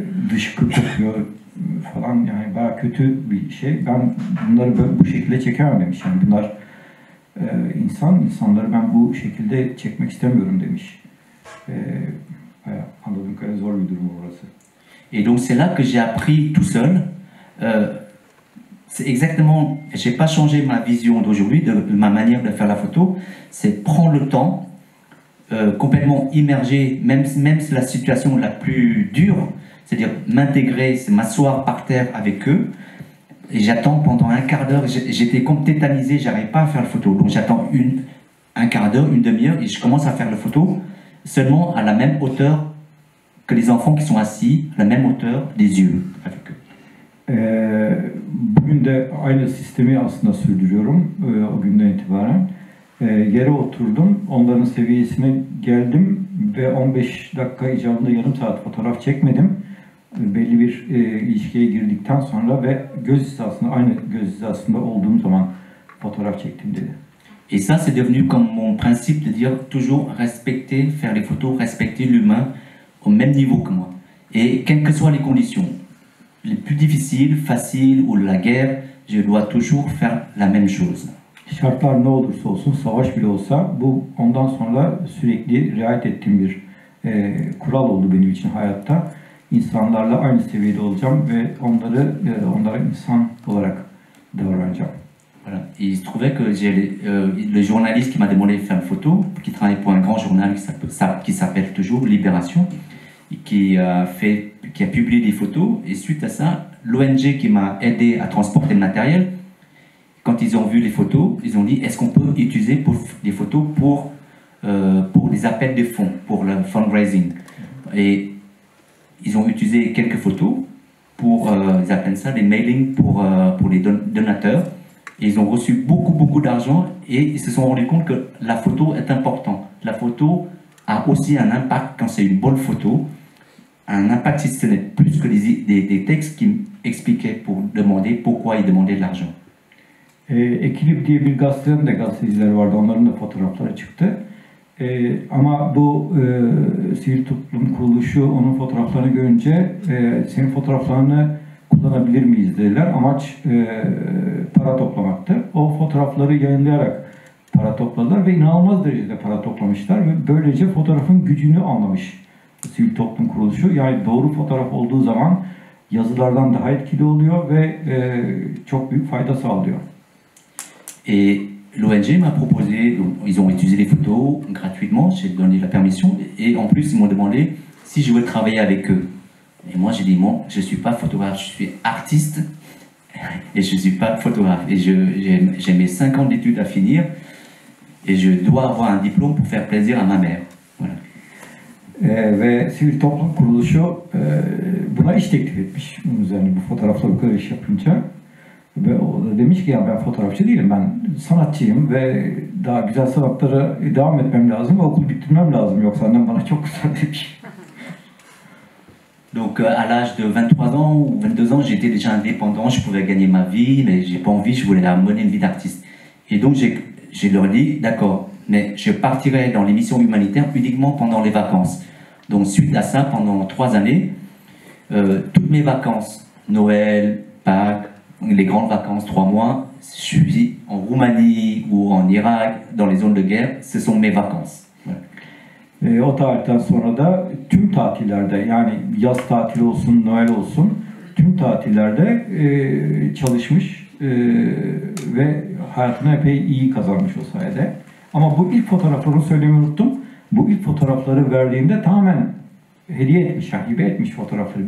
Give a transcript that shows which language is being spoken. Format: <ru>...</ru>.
<tr>Dışkı tutuyor falan yani baya kötü bir şey. Ben bunları bu şekilde çekemem demiş. Yani bunlar insanları ben bu şekilde çekmek istemiyorum demiş. Bayağı anladığım kadar zor bir durum orası.</tr> <fr>Et donc c'est là que j'ai appris tout seul. C'est exactement, j'ai pas changé ma vision d'aujourd'hui, de ma manière de faire la photo. C'est prendre le temps. Complètement immergé, même si la situation la plus dure, c'est-à-dire m'intégrer, c'est m'asseoir par terre avec eux, et j'attends pendant un quart d'heure, j'étais comme tétanisé, j'arrivais pas à faire la photo, donc j'attends un quart d'heure, une demi-heure, et je commence à faire la photo, seulement à la même hauteur que les enfants qui sont assis, à la même hauteur des yeux avec eux.</fr> <tr>Bugün de aynı sistemi aslında sürdürüyorum, o günden itibaren. Yere oturdum, onların seviyesine geldim ve 15 dakika icabında yarım saat fotoğraf çekmedim. Belli bir ilişkiye girdikten sonra ve göz hizasında, aynı göz hizasında olduğum zaman fotoğraf çektim dedi.</tr> <fr>Et ça c'est devenu comme mon principe de dire toujours respecter, faire les photos, respecter l'humain au même niveau que moi. Et quelles que soient les conditions, les plus difficiles, faciles ou la guerre, je dois toujours faire la même chose.</fr> <tr>Şartlar ne olursa olsun, savaş bile olsa, bu ondan sonra sürekli riayet ettiğim bir kural oldu benim için hayatta. İnsanlarla aynı seviyede olacağım ve onları onlara insan olarak davranacağım.</tr> <fr>Voilà. Et il se trouvait que j'ai le journaliste qui m'a demandé de faire une photo, qui travaille pour un grand journal qui s'appelle toujours Libération, et qui a publié des photos. Et suite à ça, l'ONG qui m'a aidé à transporter le matériel, quand ils ont vu les photos, ils ont dit est-ce qu'on peut utiliser pour des photos pour des appels de fonds, pour le fundraising. Et ils ont utilisé quelques photos pour, ils appellent ça des mailings pour les donateurs. Et ils ont reçu beaucoup, beaucoup d'argent et ils se sont rendus compte que la photo est importante. La photo a aussi un impact quand c'est une bonne photo. Un impact si ce n'est plus que des textes qui expliquaient pour demander pourquoi ils demandaient de l'argent.</fr> <tr>Ekilip diye bir gazetenin de gazeteciler vardı. Onların da fotoğrafları çıktı. Ama bu sivil toplum kuruluşu onun fotoğraflarını görünce senin fotoğraflarını kullanabilir miyiz dediler. Amaç para toplamaktı. O fotoğrafları yayınlayarak para topladılar ve inanılmaz derecede para toplamışlar ve böylece fotoğrafın gücünü anlamış sivil toplum kuruluşu. Yani doğru fotoğraf olduğu zaman yazılardan daha etkili oluyor ve çok büyük fayda sağlıyor.</tr> <fr>Et l'ONG m'a proposé, ils ont utilisé les photos gratuitement, j'ai donné la permission et en plus ils m'ont demandé si je veux travailler avec eux. Et moi j'ai dit non, je ne suis pas photographe, je suis artiste et je ne suis pas photographe. Et j'ai mes 5 ans d'études à finir et je dois avoir un diplôme pour faire plaisir à ma mère. Voilà.</fr> <tr>Ve sivil toplum kuruluşu buna iş teklif etmiş. Yani bu fotoğrafla bu kadar iş yapınca. Ve o da demiş ki ya ben fotoğrafçı değilim, ben sanatçıyım ve daha güzel sanatlara devam etmem lazım ve okul bitirmem lazım, yoksa annem bana çok kızar demiş.</tr> <fr>Donc à l'âge de 23 ans ou 22 ans, j'étais déjà indépendant, je pouvais gagner ma vie, mais j'ai pas envie, je voulais la mener une vie d'artiste. Et donc j'ai leur dit, d'accord, mais je partirai dans les missions humanitaires uniquement pendant les vacances. Donc suite à ça, pendant 3 années, toutes mes vacances, Noël, Pâques, les grandes vacances, 3 mois, je suis en Roumanie ou en Irak, dans les zones de guerre, ce sont mes vacances.</fr> <tr>O tarihten sonra da tüm tatillerde, yani yaz tatili olsun, Noel olsun, tüm tatillerde çalışmış ve hayatını epey iyi kazanmış o sayede. Ama bu ilk fotoğrafları söylemeyi unuttum. Bu ilk fotoğrafları verdiğinde tamamen hediye etmiş, hibe etmiş fotoğrafları.</tr>